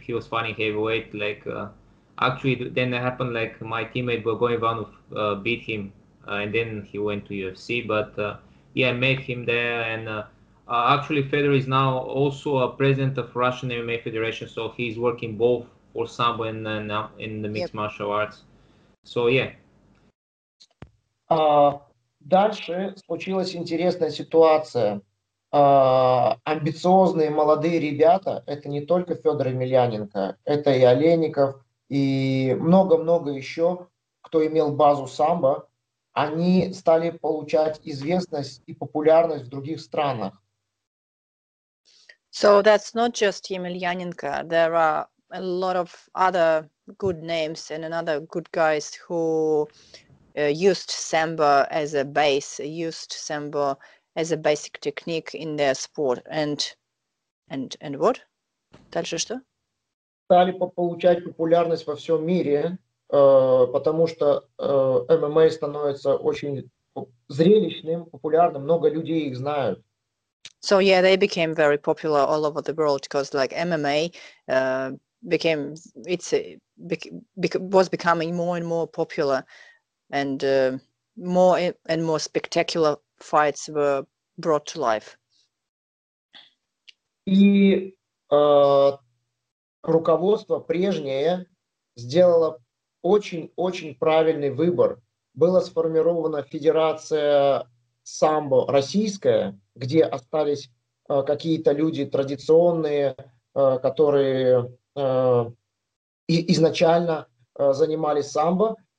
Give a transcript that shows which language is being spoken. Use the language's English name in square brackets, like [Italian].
[English] He was fighting heavyweight, like actually then it happened like my teammate Bogoyevanov beat him and then he went to UFC, but yeah, I met him there, and actually Fedor is now also a president of Russian MMA Federation, so he's working both for Sambo and in the mixed martial arts. So yeah. [Russian] Дальше случилась интересная ситуация. Амбициозные молодые ребята, это не только Федор Емельяненко, это и Олейников, и много-много еще, кто имел базу самбо, они стали получать известность и популярность в других странах. [English] So that's not just Емельяненко. There are a lot of other good names and another good guys who used samba as a base, used samba as a basic technique in their sport, and what? [Russian] Дальше что? Стали получать популярность во всем мире, потому что ММА становится очень зрелищным, популярным, много людей их знают. [English] So yeah, they became very popular all over the world because like MMA was becoming more and more popular. And more and more spectacular fights were brought to life. [Russian] И руководство прежнее сделало очень-очень правильный выбор. Была сформирована Федерация самбо российская, где остались какие-то люди традиционные, которые изначально занимались самбо.